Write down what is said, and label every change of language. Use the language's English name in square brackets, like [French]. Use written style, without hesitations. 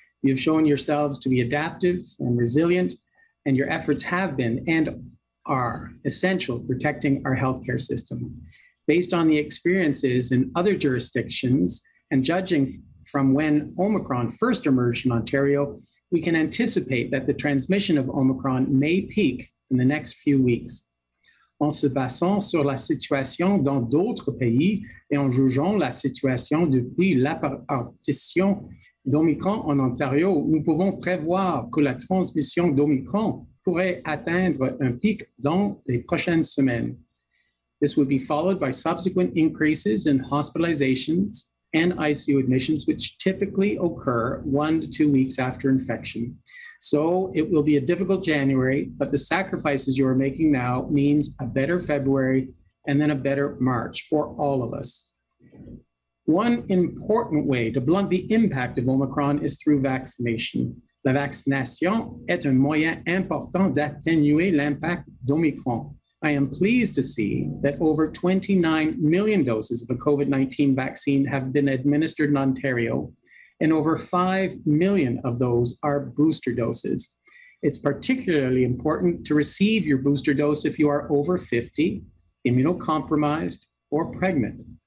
[English] You have shown yourselves to be adaptive and resilient, and your efforts have been and are essential protecting our healthcare system. Based on the experiences in other jurisdictions and judging from when Omicron first emerged in Ontario, we can anticipate that the transmission of Omicron may peak in the next few weeks. [French] En se basant sur la situation dans d'autres pays et en jugeant la situation depuis l'apparition d'Omicron en Ontario, nous pouvons prévoir que la transmission d'Omicron pourrait atteindre un pic dans les prochaines semaines. [English] This will be followed by subsequent increases in hospitalizations and ICU admissions, which typically occur 1 to 2 weeks after infection. So it will be a difficult January, but the sacrifices you are making now means a better February and then a better March for all of us. One important way to blunt the impact of Omicron is through vaccination. [French] La vaccination est un moyen important d'atténuer l'impact d'Omicron. [English] I am pleased to see that over 29 million doses of a COVID-19 vaccine have been administered in Ontario, and over 5 million of those are booster doses. It's particularly important to receive your booster dose if you are over 50, immunocompromised, or pregnant.